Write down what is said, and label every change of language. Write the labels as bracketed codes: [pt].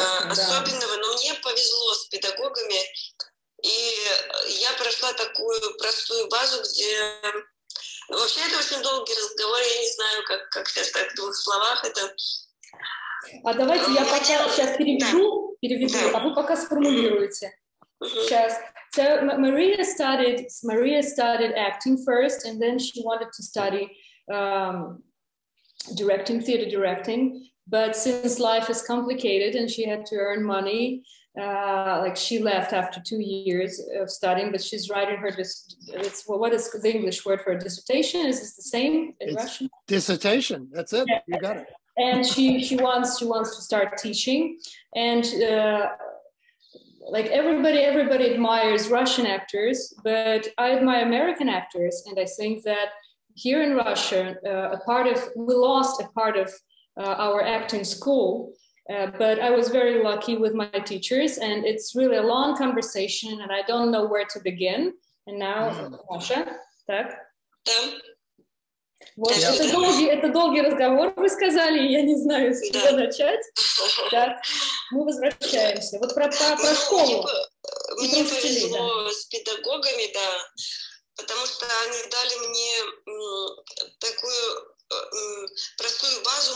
[ru] Особенного, но мне повезло с педагогами, и я прошла такую простую базу, где... Вообще, это очень долгий разговор, я не знаю, как сейчас так в двух словах это... А давайте я пока сейчас переведу, да. А вы пока сформулируете. Mm-hmm. Сейчас. [en] So, Maria started acting first, and then she wanted to study directing, theater directing. But since life is complicated and she had to earn money, like she left after 2 years of studying, but she's writing her, what is the English word for a dissertation? Is this the same in Russian? Dissertation, that's it, yeah. You got it. And she wants to start teaching. And like everybody admires Russian actors, but I admire American actors. And I think that here in Russia, we lost a part of our acting school, but I was very lucky with my teachers, and it's really a long conversation, and I don't know where to begin. And now, Маша, [ru] так? Вот, это долгий разговор, вы сказали, я не знаю, с чего начать. Так, мы возвращаемся. Вот про школу. Мне повезло с педагогами, да, потому что они дали мне такую... простую базу.